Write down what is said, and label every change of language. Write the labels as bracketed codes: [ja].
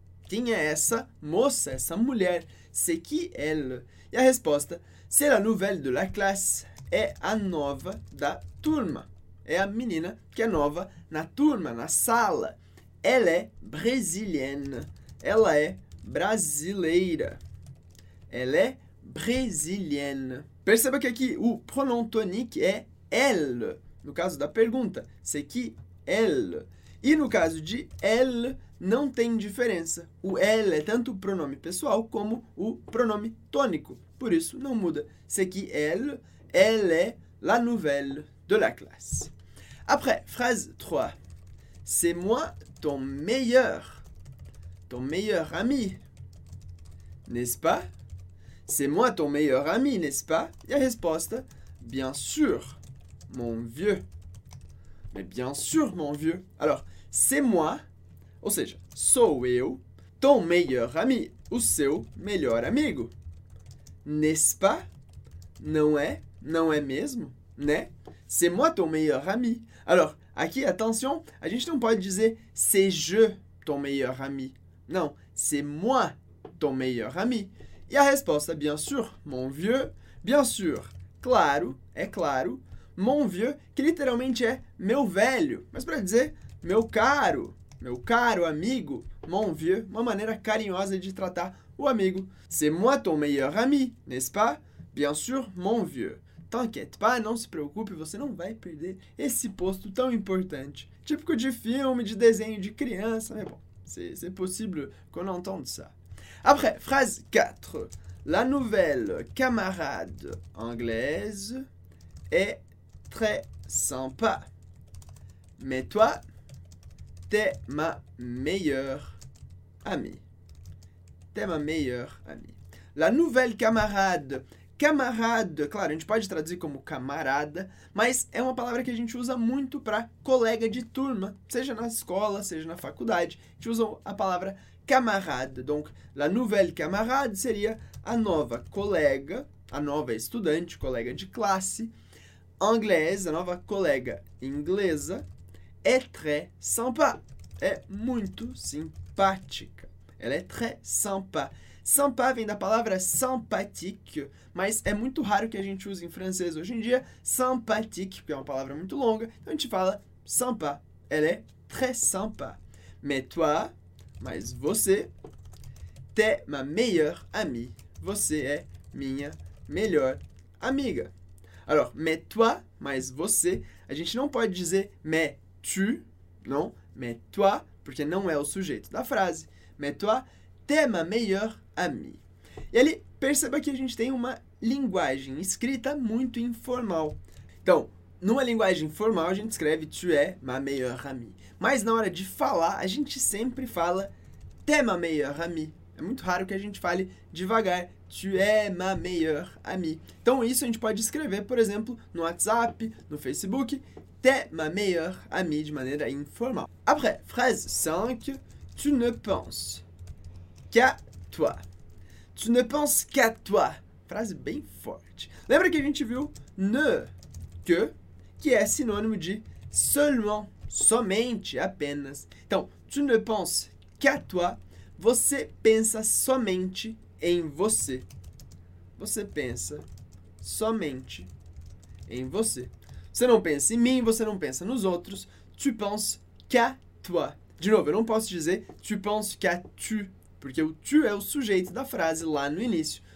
[pt] Quem é essa moça, essa mulher? [fr] C'est qui elle? [pt] E a resposta, [fr] c'est la nouvelle de la classe. [pt] É a nova da turma. É a menina que é nova na turma, na sala. [fr] Elle est brésilienne. [pt] Ela é brasileira. Elle est brésilienne. Perceba que aqui o pronom tonique é elle, no caso da pergunta. [fr] C'est qui elle? [pt] E no caso de elle, não tem diferença. O elle é tanto o pronome pessoal como o pronome tônico. Por isso, não muda. [fr] C'est qui elle? Elle est la nouvelle de la classe. Après, phrase 3. C'est moi ton meilleur. Ton meilleur ami. N'est-ce pas? C'est moi ton meilleur ami, n'est-ce pas? Et la réponse, bien sûr, mon vieux. Mais bien sûr, mon vieux. Alors, c'est moi, [pt] ou seja, sou eu, [fr] ton meilleur ami, [pt] o seu melhor amigo. [fr] N'est-ce pas? [pt] Não é mesmo? Né? [fr] C'est moi ton meilleur ami. Alors, [pt] aqui, [fr] attention, [pt] a gente não pode dizer [fr] c'est je ton meilleur ami. Não, c'est moi ton meilleur ami. [pt] E a resposta, [fr] bien sûr, mon vieux, bien sûr, [pt] claro, é claro, Mon vieux, que literalmente é meu velho, mas para dizer meu caro amigo, [fr] mon vieux, [pt] uma maneira carinhosa de tratar o amigo. [fr] C'est moi ton meilleur ami, n'est-ce pas? Bien sûr, mon vieux. T'inquiète pas, [pt] não se preocupe, você não vai perder esse posto tão importante. Típico de filme, de desenho, de criança, [fr] mais bon, c'est possible qu'on entende ça. Après, phrase 4. La nouvelle camarade anglaise est très sympa. Mais toi, t'es ma meilleure amie. T'es ma meilleure amie. La nouvelle camarade. [pt] Camarade, claro, a gente pode traduzir como camarada, mas é uma palavra que a gente usa muito para colega de turma, seja na escola, seja na faculdade. A gente usa a palavra camarade. Donc, [fr] la nouvelle camarade [pt] seria a nova colega, a nova estudante, colega de classe, anglaise, a nova colega inglesa, [fr] est très sympa. [pt] É muito simpática. Ela é [fr] très sympa. [pt] Sympa vem da palavra sympathique, mas é muito raro que a gente use em francês hoje em dia. Sympathique, que é uma palavra muito longa, então a gente fala sympa. Ela é [fr] très sympa. Mais toi, [pt] mas você, [fr] t'es ma meilleure amie. [pt] Você é minha melhor amiga. Alors, [fr] mais toi, [pt] mais você, a gente não pode dizer [fr] mais tu, [pt] não? [fr] Mais toi, [pt] porque não é o sujeito da frase. [fr] Mais toi, t'es ma meilleure amie. [pt] E ali, perceba que a gente tem uma linguagem escrita muito informal. Então, numa linguagem formal, a gente escreve [fr] tu es ma meilleure amie. [pt] Mas na hora de falar, a gente sempre fala [fr] t'es ma meilleure amie. [pt] É muito raro que a gente fale devagar. [fr] Tu es ma meilleure amie. [pt] Então, isso a gente pode escrever, por exemplo, no WhatsApp, no Facebook, [fr] t'es ma meilleure amie, [pt] de maneira informal. [fr] Après, phrase 5, tu ne penses qu'à toi. Tu ne penses qu'à toi. [pt] Frase bem forte. Lembra que a gente viu ne, que é sinônimo de seulement, somente, apenas. Então, [fr] tu ne penses qu'à toi. [pt] Você pensa somente em você. Você pensa somente em você. Você não pensa em mim, você não pensa nos outros. [fr] Tu penses qu'à toi. [pt] De novo, eu não posso dizer [fr] tu penses qu'à tu, [pt] porque o tu é o sujeito da frase lá no início.